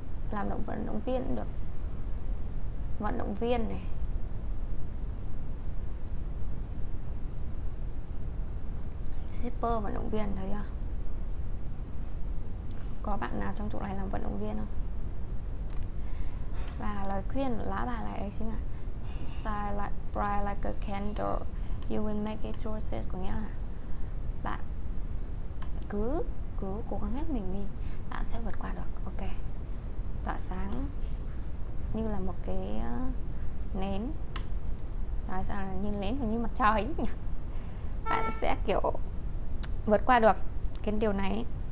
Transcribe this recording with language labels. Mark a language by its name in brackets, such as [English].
[Vietnamese] Làm động vận động viên cũng được. Vận động viên này. Shipper, vận động viên thấy chưa? Có bạn nào trong chỗ này làm vận động viên không? Và lời khuyên của lá bà này đấy chính là [English] shine like bright like a candle, you will make it through this. [Vietnamese] Có nghĩa là bạn cứ cứ cố gắng hết mình đi, bạn sẽ vượt qua được. Ok, tỏa sáng như là một cái nến, nói sao là như nến như mặt trời nhỉ, bạn sẽ kiểu vượt qua được cái điều này.